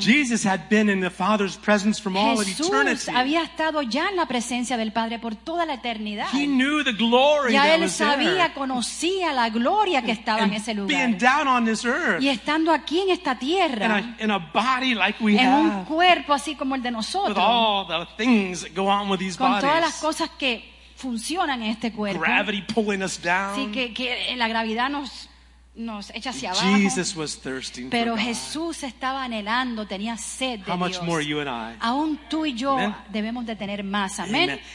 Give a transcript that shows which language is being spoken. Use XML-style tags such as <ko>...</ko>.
<en>Jesus had been in the Father's presence from all of eternity.</en> <es>Jesús había estado ya en la presencia del Padre por toda la eternidad. eternidad.</es> <en>He knew the glory</en> <es>ya</es> <en>that</en> <es>él</es> <en>was</en> <es>sabía,</es> <en>there.</en> <es>Conocía la gloria que estaba</es> <en>and</en> <es>en ese lugar.</es> <en>Being down on this earth,</en> <es>y estando aquí en esta tierra,</es> <en>in a body like we</en> <es>en</es> <en>have,</en> <es>un cuerpo así como el de nosotros,</es> <en>with all the things that go on with these</en> <es>con</es> <en>bodies,</en> <es>todas las cosas que funcionan en este cuerpo,</es> <en>gravity pulling us down,</en> <es>sí, que la gravedad nos nos echa hacia abajo.</es> <en>Jesus was thirsting</en> <es>pero</es> <en>for God.</en> <es>Jesús estaba anhelando, tenía sed de</es> <en>how much</en> <es>Dios.</es> <en>More you and I.</en> <es>Aún tú y yo amen. Debemos de tener más. Amén.</es>